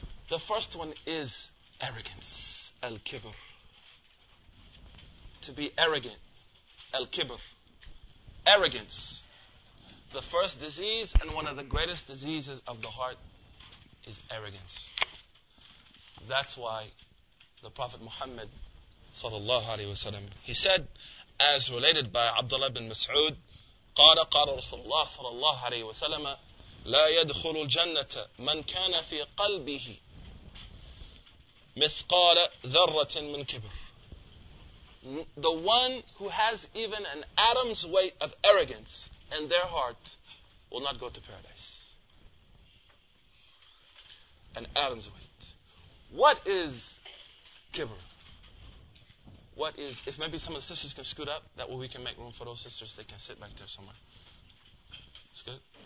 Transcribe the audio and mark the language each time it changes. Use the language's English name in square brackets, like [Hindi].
[English] The first one is arrogance, al-kibr. To be arrogant, al-kibr. Arrogance. The first disease and one of the greatest diseases of the heart is arrogance. That's why the Prophet Muhammad sallallahu alayhi wa sallam, he said, as related by Abdullah ibn Mas'ud, [Arabic] قال قال رسول الله صلى الله عليه وسلم لا يدخل الجنة من كان في قلبه مثقال ذرة من كبر. [English] The one who has even an atom's weight of arrogance in their heart will not go to paradise. An atom's weight. What is kibr? What is, if maybe some of the sisters can scoot up, that way we can make room for those sisters, they can sit back there somewhere. That's good.